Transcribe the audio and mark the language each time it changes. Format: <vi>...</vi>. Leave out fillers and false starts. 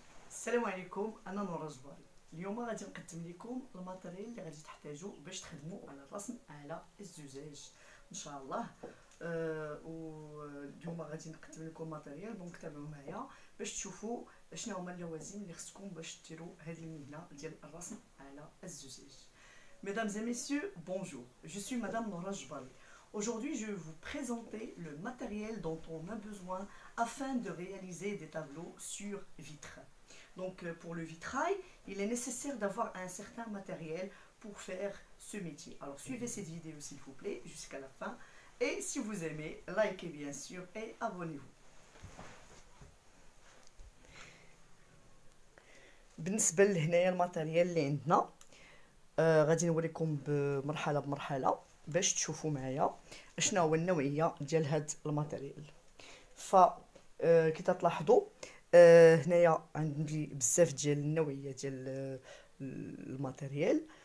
<ar>السلام عليكم، انا نور الزبالي. اليوم غادي نقدم لكم الماتيريال اللي غادي تحتاجوا باش تخدموا على الرسم على الزجاج ان شاء الله. اليوم غادي نقدم لكم الماتيريال، دونك تابعوا معايا باش تشوفوا شنو هما اللوازم اللي خصكم باش ديروا هذه المهنه ديال الرسم على الزجاج.</ar> <fr>Mesdames et messieurs, bonjour. Je suis madame Nora Jbal. Aujourd'hui, je vais vous présenter le matériel dont on a besoin afin de réaliser des tableaux sur vitre. Donc, pour le vitrail, il est nécessaire d'avoir un certain matériel pour faire ce métier. Alors, suivez cette vidéo, s'il vous plaît, jusqu'à la fin. Et si vous aimez, likez bien sûr et abonnez-vous.</fr> <ar>بالنسبه لهنايا الماتيريال اللي عندنا غادي نوريكم بمرحله بمرحله باش تشوفوا معايا شنو هو النوعيه ديال هاد الماتيريال. ف كي تلاحظوا هنايا عندي بزاف ديال النوعيه ديال الماتيريال.</ar>